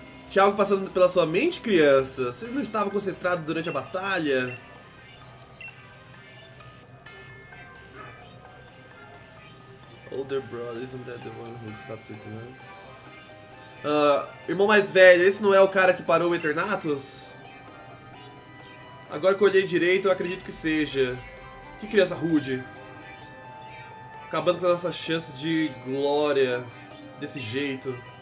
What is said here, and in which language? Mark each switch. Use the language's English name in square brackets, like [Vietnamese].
[Portuguese] Tinha algo passando pela sua mente, criança? Você não estava concentrado durante a batalha? [English] Older brother, isn't that the one who stopped Eternatus? [Portuguese] Irmão mais velho, esse não é o cara que parou o Eternatus? Agora que eu olhei direito, eu acredito que seja. Que criança rude. Acabando com as nossas chances de glória. Desse jeito.